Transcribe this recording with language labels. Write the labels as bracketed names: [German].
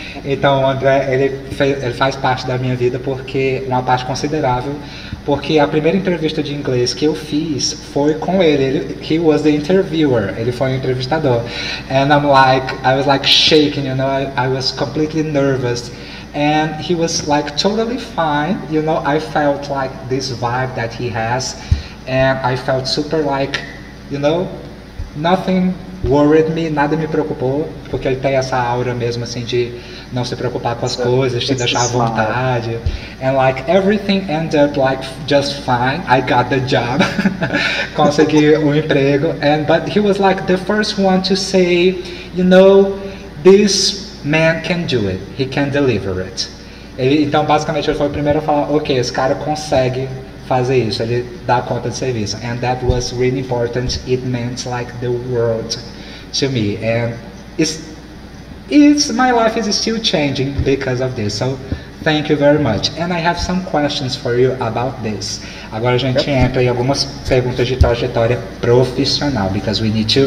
[Portuguese] Então, André, ele faz parte da minha vida, porque uma parte considerável, porque a primeira entrevista de inglês que eu fiz foi com ele. [English] He was the interviewer. [Portuguese] Ele foi o entrevistador. [English] And I'm like, I was like shaking, you know, I was completely nervous. And he was like totally fine, you know, I felt like this vibe that he has. And I felt super like, you know, nothing worried me, [Portuguese] nada me preocupou, porque ele tem essa aura mesmo assim de não se preocupar com as coisas, te deixar à vontade. [English] And like everything ended up like just fine. I got the job. [Portuguese] Consegui um emprego. [English] And but he was like the first one to say, you know, this man can do it. He can deliver it. [Portuguese] Então basicamente ele foi o primeiro a falar, ok, esse cara consegue fazer isso, ele dá conta de serviço. [English] And that was really important. It meant like the world to me. And it's my life is still changing because of this. So thank you very much. And I have some questions for you about this. [Portuguese] Agora a gente entra em algumas perguntas de trajetória profissional, [English] because we need to.